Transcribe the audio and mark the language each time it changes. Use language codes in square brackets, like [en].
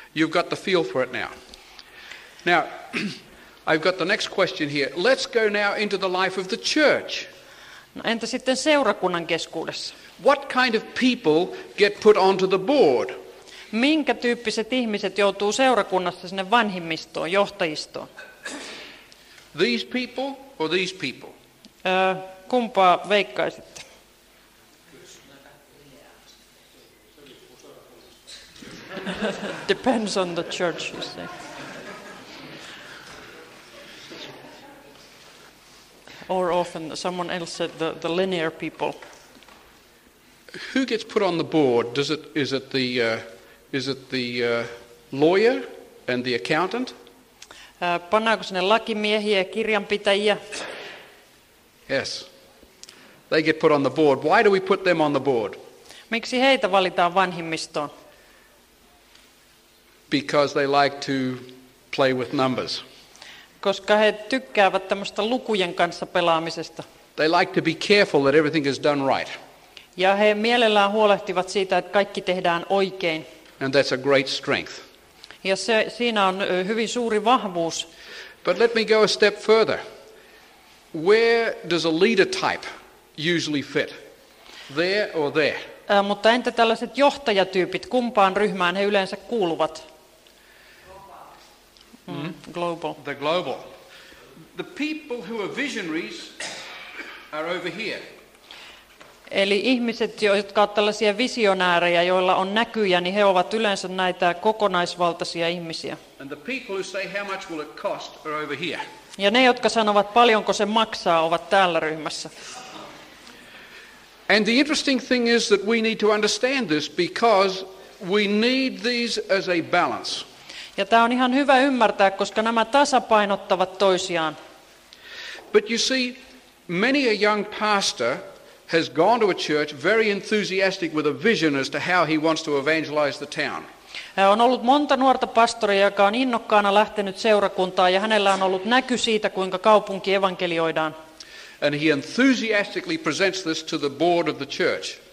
[en] You've got the feel for it now. Now, I've got the next question here. Let's go now into the life of the church. [fi] No, entä sitten seurakunnan keskuudessa? [en] What kind of people get put onto the board? [fi] Minkä tyyppiset ihmiset joutuu seurakunnassa sinne vanhimmistoon, johtajistoon? [en] These people or these people? [fi] Kumpaa veikkaisitte? [en] Depends on the church, you say. Or often someone else said the linear people. Who gets put on the board? Is it the lawyer and the accountant? [fi] Pannaanko sinne lakimiehiä ja kirjanpitäjiä? [en] Yes. They get put on the board. Why do we put them on the board? [fi] Miksi heitä valitaan vanhimmistoon? [en] Because they like to play with numbers. [fi] Koska he tykkäävät tämmöstä lukujen kanssa pelaamisesta. [en] They like to be careful that everything is done right. [fi] Ja he mielellään huolehtivat siitä, että kaikki tehdään oikein. [en] And that's a great strength. [fi] Ja se, siinä on hyvin suuri vahvuus. [en] But let me go a step further. Where does a leader type usually fit? There or there? [fi] Mutta entä tällaiset johtajatyypit, kumpaan ryhmään he yleensä kuuluvat? [en] Global. The global. The people who are visionaries are over here. [fi] Eli ihmiset, jotka ovat tällaisia visionäärejä, joilla on näkyjä, niin he ovat yleensä näitä kokonaisvaltaisia ihmisiä. [en] And the people who say how much will it cost are over here. [fi] Ja ne, jotka sanovat paljonko se maksaa, ovat täällä ryhmässä. [en] And the interesting thing is that we need to understand this because we need these as a balance. [fi] Ja tämä on ihan hyvä ymmärtää, koska nämä tasapainottavat toisiaan. [en] But you see, many a young pastor has gone to a church very enthusiastic with a vision as to how he wants to evangelize the town. [fi] On ollut monta nuorta pastoria, joka on innokkaana lähtenyt seurakuntaa, ja hänellä on ollut näky siitä, kuinka kaupunki evankelioidaan. [en] And he enthusiastically presents this to the board of the church.